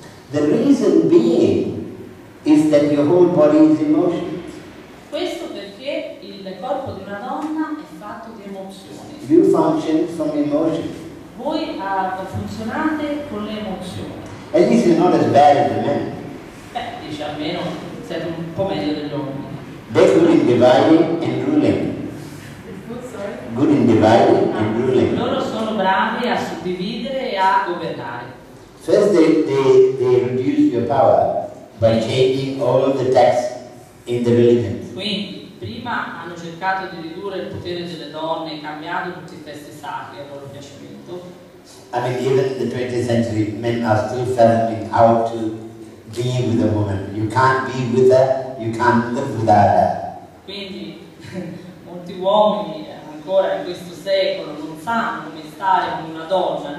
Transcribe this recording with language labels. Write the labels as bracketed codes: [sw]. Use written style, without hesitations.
[en] The reason being is that your whole body is emotion. [it] Questo perché il corpo di una donna è fatto di emozioni. [en] You function from emotion. [it] Voi funzionate con le emozioni. [en] At least you're not as bad as the men. [it] Beh, dice almeno siete un po' meglio degli uomini. [en] They're good in dividing and ruling. Good in dividing and ruling. [it] Loro sono bravi a suddividere e a governare. [en] First they reduce your power by changing all of the texts in the religion. [it] Quindi, prima hanno cercato di ridurre il potere delle donne cambiando tutti i testi sacri a loro piacimento. [en] I mean, even in the 20th century, men are still fathoming how to be with a woman. You can't be with her, you can't live without her. [it] Quindi, molti uomini ancora in questo secolo non sanno come stare con una donna.